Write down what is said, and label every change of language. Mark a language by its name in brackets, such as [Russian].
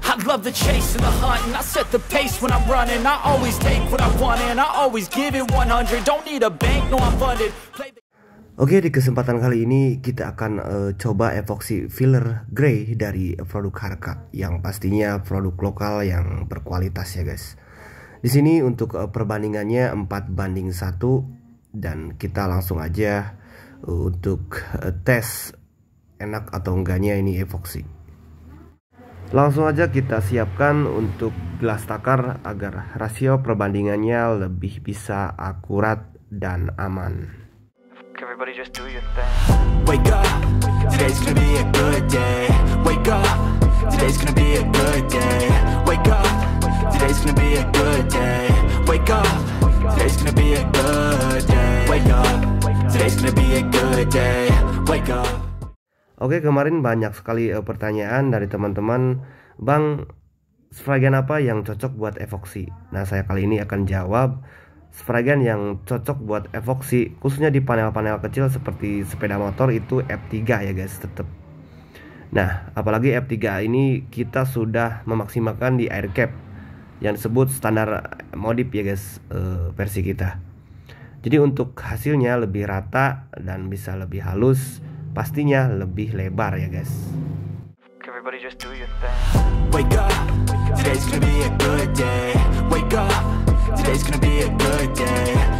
[English] Love the chase and the hunt, and I set the pace when I'm running. I always take what I want, and I always give it 100. Don't need a bank, no, I'm funded. [Indonesian] Oke, di kesempatan kali ini kita akan coba epoxy filler grey dari produk Harka yang pastinya produk lokal yang berkualitas ya guys. Di sini untuk perbandingannya 4 banding 1 dan kita langsung aja untuk tes enak atau enggaknya ini epoxy. Langsung aja kita siapkan untuk gelas takar agar rasio perbandingannya lebih bisa akurat dan aman. [English] Everybody just do your thing. Wake up, today's gonna be a good day. Wake up, today's gonna be a good day. Wake up, today's gonna be a good day. Wake up, today's gonna be a good day. Wake up, today's gonna be a good day. Wake up. [Indonesian] Oke, kemarin banyak sekali pertanyaan dari teman-teman, Bang, sfragen apa yang cocok buat epoxy? Nah, saya kali ini akan jawab. Sfragen yang cocok buat epoxy khususnya di panel-panel kecil seperti sepeda motor itu F3 ya guys, tetap. Nah, apalagi F3 ini kita sudah memaksimalkan di air cap yang disebut standar modif ya guys, versi kita. Jadi untuk hasilnya lebih rata dan bisa lebih halus, pastinya lebih lebar ya guys. [English] Everybody just do your thing. Wake up, today's gonna be a good day. Wake up, today's gonna be a good day.